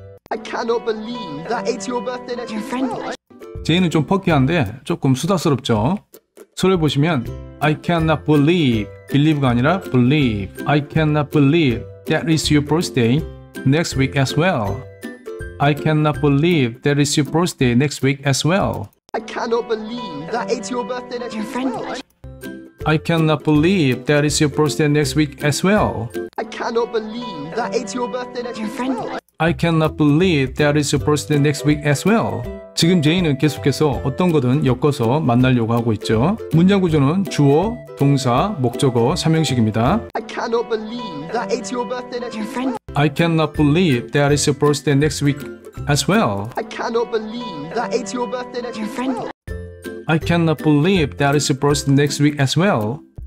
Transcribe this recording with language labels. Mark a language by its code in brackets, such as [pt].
[en] I cannot believe that it's your birthday next week. Friend. [ko] 제인은 좀 퍼키한데 조금 수다스럽죠. 소리 보시면 [en] I cannot believe, believe가 [ko] 아니라 [en] believe. I cannot believe that is your birthday next week as well. I cannot believe that it's your birthday next week as well. I cannot believe that it's your birthday next your friend. Week. I cannot believe that it's your birthday next week as well. I cannot believe that it's your birthday next your friend. Week. I cannot believe that it's your birthday next week as well. [ko] 지금 제인은 계속해서 어떤 거든 엮어서 만나려고 하고 있죠. 문장 구조는 주어, 동사, 목적어, 삼형식입니다. [en] I cannot believe that it's your birthday next week. I cannot believe that it's your birthday next week as well. I cannot believe that it's your birthday next week as well. I cannot believe that it's your birthday next week as well.